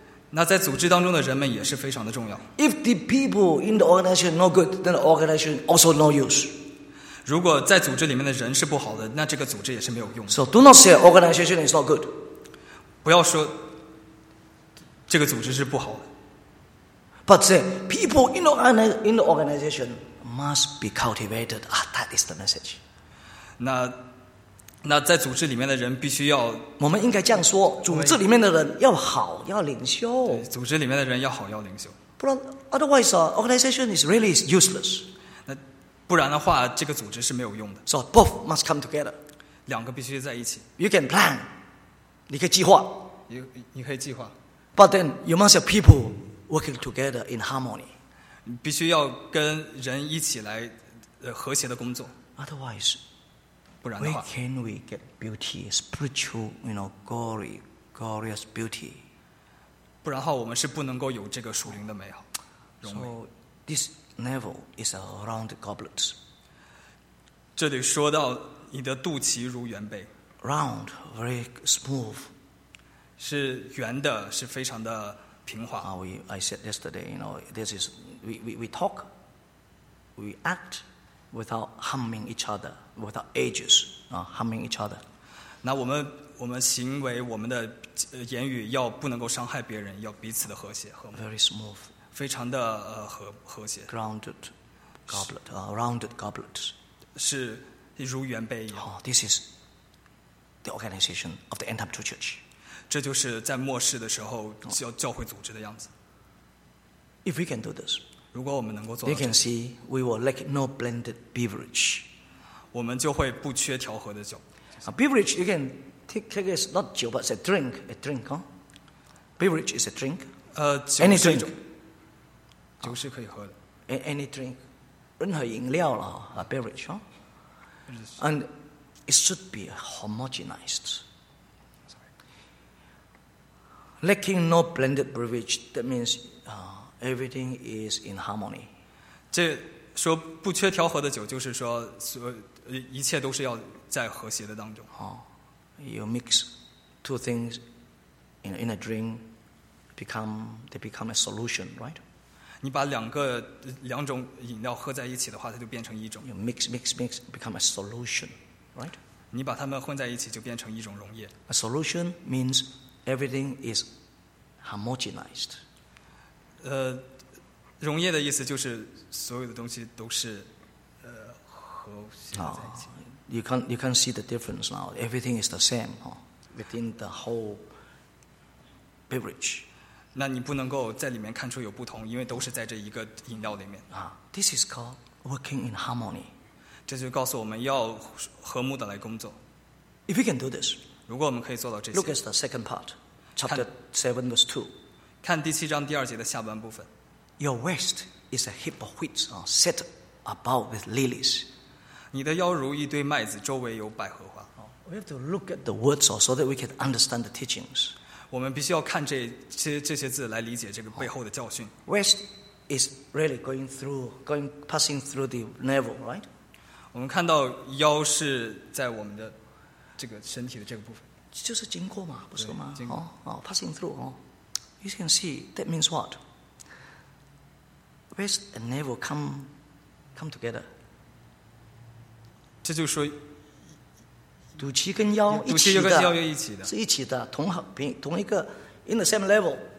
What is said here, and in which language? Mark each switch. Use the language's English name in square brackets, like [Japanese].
[Chinese] 那在组织当中的人们也是非常的重要。 [English] If the people in the organization no good, then the organization also no use. [Chinese] 如果在组织里面的人是不好的，那这个组织也是没有用的。 [English] So do not say organization is not good. [Chinese] 不要说这个组织是不好的。 [English] But say people in the organization must be cultivated. That is the message. [Chinese] 那在组织里面的人必须要，我们应该这样说，组织里面的人要好，要领袖。对，组织里面的人要好，要领袖。不然 [English] ，otherwise, organization is really useless. [Chinese] 那不然的话，这个组织是没有用的。 [English] So both must come together. [Chinese] 两个必须在一起。 [English] You can plan. [Chinese] 你可以计划。你可以计划。 [English] But then you must have people working together in harmony. [Chinese] 必须要跟人一起来和谐的工作。 [English] Otherwise. Where can we get beauty, spiritual, you know, glory, glorious beauty? [Chinese] 不然的话，我们是不能够有这个属灵的美好。 [English] So this navel is a round goblet. [Chinese] 这里说到你的肚脐如圆杯。 [English] Round, very smooth. [Chinese] 是圆的，是非常的平滑。 [English] I said yesterday, you know, this is we talk, we act. Without harming each other, without ages, harming each other. [Chinese] 那我们行为，我们的言语要不能够伤害别人，要彼此的和谐和睦。 [English] Very smooth, [Chinese] 非常的和谐。 [English] Grounded goblet, rounded goblet, [Chinese] 是如圆杯一样。 [English] Oh, this is the organization of the end time church. [Chinese] 这就是在末世的时候教会组织的样子。 [English] If we can do this. [Chinese] 如果我们能够做 [English] 到 You can see we will lack no blended beverage. [Chinese] 我们就会不缺调和的酒。 [English] A beverage, you can take it as not 酒 but a drink. A drink, huh? Beverage is a drink. Any drink. [Chinese] 酒是可以喝的。 [English] Any drink. [Chinese] 任何饮料了 [English] a beverage, huh? And it should be homogenized. Lacking no blended beverage, that means. Everything is in harmony. [Chinese] 这说不缺调和的酒，就是说，一切都是要在和谐的当中。 [English] You mix two things in a drink, they become a solution, right? [Chinese] 你把两种饮料喝在一起的话，它就变成一种。 [English] You mix, become a solution, right? [Chinese] 你把它们混在一起，就变成一种溶液。 [English] A solution means everything is homogenized. [Chinese] 溶液的意思就是所有的东西都是和谐在一起。 [English] You can see the difference now. Everything is the same, within the whole beverage. [Chinese] 那你不能够在里面看出有不同，因为都是在这一个饮料里面。 [English] This is called working in harmony. [Chinese] 这就告诉我们要和睦的来工作。 [English] If we can do this, [Chinese] 如果我们可以做到这些 [English] ，Look at the second part, chapter 7 verse 2. [Chinese] 看第七章第二节的下半部分。 [English] Your waist is a heap of wheat, set about with lilies. [Chinese] 你的腰如一堆麦子，周围有百合花。 [English] We have to look at the words so that we can understand the teachings. [Chinese] 我们必须要看这些字来理解这个背后的教训。 [English] Waist is really passing through the navel, right? [Chinese] 我们看到腰是在我们的这个身体的这个部分。就是经过嘛，不是吗？ [English] passing through. You can see that means what? Waist and navel come together. [Chinese] 这就是说，肚脐跟腰一起的，肚脐跟腰一起的，是一起的，同一个 [English] in the same level.